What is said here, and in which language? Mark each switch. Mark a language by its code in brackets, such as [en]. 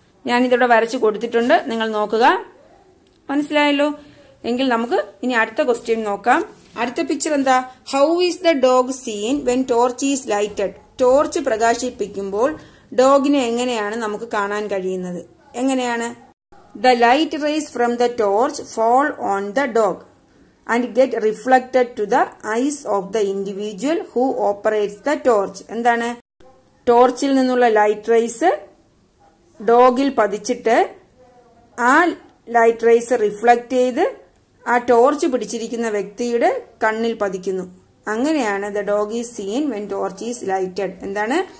[ml] ഞാനിതിവിടെ വരച്ച് കൊടുത്തിട്ടുണ്ട്, നിങ്ങൾ നോക്കുക. മനസ്സിലായല്ലോ? എങ്കിൽ നമുക്ക് ഇനി അടുത്ത ക്വസ്റ്റ്യൻ നോക്കാം. അടുത്ത പിക്ചർ എന്താ? [en] How is the dog seen when torch is lighted. [ml] Torch പ്രകാശിപ്പിക്കുമ്പോൾ ഡോഗിനെ എങ്ങനെയാണ് നമുക്ക് കാണാൻ കഴിയുന്നത്? എങ്ങനെയാണ്? [en] The light rays from the torch fall on the dog and get reflected to the eyes of the individual who operates the torch. [ml] എന്താണ്? ടോർച്ചിൽ നിന്നുള്ള light rays ഡോഗിൽ പതിച്ചിട്ട് ആ light rays reflect ചെയ്ത് ആ ടോർച്ച് പിടിച്ചിരിക്കുന്ന വ്യക്തിയുടെ കണ്ണിൽ പതിക്കുന്നു. അങ്ങനെയാണ് [en] The dog is seen when torch is lighted. [ml] എന്താണ്?